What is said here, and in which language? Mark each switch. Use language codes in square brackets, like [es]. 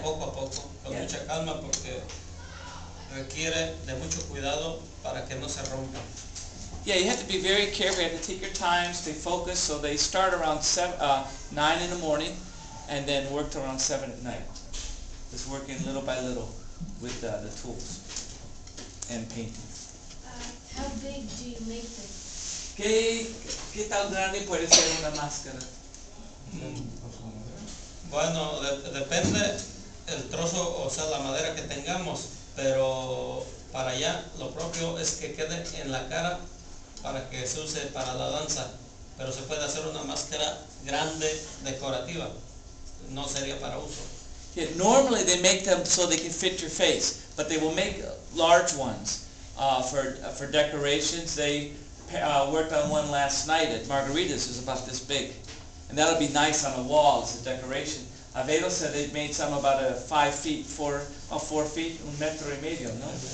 [es] Poco a poco, con yeah. Mucha calma, porque requiere de mucho cuidado para que no se rompa. [en] Yeah, you have to be very careful, you have to take your time, stay focused, so they start around 9 in the morning, and then work till around 7 at night. Just working little by little with the tools and painting. How big do you make them? [es] ¿Qué tan grande puede ser una máscara? Bueno, depende el trozo, o sea, la madera que tengamos, pero para allá lo propio es que quede en la cara para que se use para la danza, pero se puede hacer una máscara grande, decorativa. no sería para uso. [en] Yeah, normally they make them so they can fit your face, but they will make large ones for decorations. They worked on one last night at Margarita's. It was about this big. And that'll be nice on a wall as a decoration. Abeiro said they made some about a 5 feet, four feet, [es] un metro y medio, no?